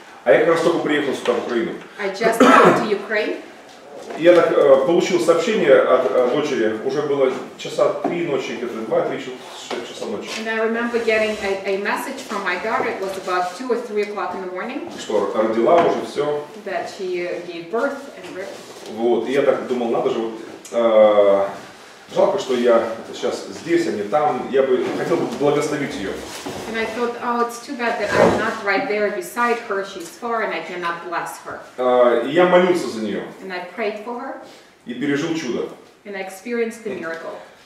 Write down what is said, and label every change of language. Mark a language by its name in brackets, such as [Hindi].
[Russian] А я как раз только приехал сюда, в Украину. [English] I just came to Ukraine. [Russian] Я так получил сообщение от дочери, уже было часа 3 ночи, где-то 2-3 часа ночи. [English] And I remember getting a message from my daughter, it was about 2 or 3 o'clock in the morning. [Russian] Что, родила уже все. [English] That she gave birth and ripped. [Russian] Вот, и я так думал, надо же, вот, жалко, что я сейчас здесь, а не там. Я бы хотел бы благословить ее. [English] And I thought, oh, it's too bad that I'm not right there beside her. She's far and I cannot bless her. [Russian] И я молился за нее. [English] And I prayed for her. [Russian] И пережил чудо. [English] And I experienced the miracle.